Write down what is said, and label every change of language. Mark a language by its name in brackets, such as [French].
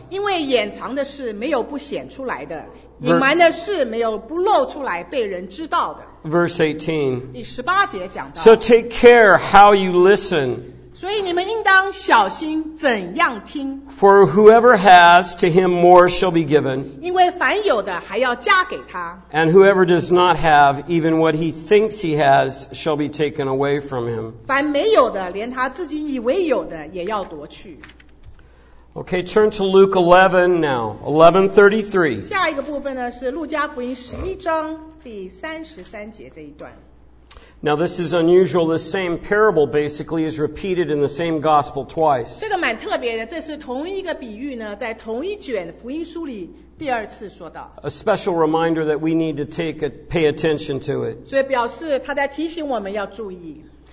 [Chinese] 因为掩藏的事没有不显出来的。隐瞒的事没有不露出来被人知道的。 [English] Verse 18. [Chinese] 第十八节讲到。 [English] So take care how you listen. [Chinese] 所以你们应当小心怎样听。 [English] For whoever has, to him more shall be given. [Chinese] 因为凡有的还要加给他。 [English] And whoever does not have, even what he thinks he has, shall be taken away from him. [Chinese] 凡没有的连他自己以为有的也要夺去。 [English] Okay, turn to Luke 11 now, 11:33. [Chinese] 下一个部分呢是路加福音十一章第三十三节这一段。 [English] Now this is unusual. The same parable basically is repeated in the same gospel twice. [Chinese] 这个蛮特别的，这是同一个比喻呢，在同一卷福音书里第二次说到。 [English] A special reminder that we need to take pay attention to it. [Chinese] 所以表示他在提醒我们要注意。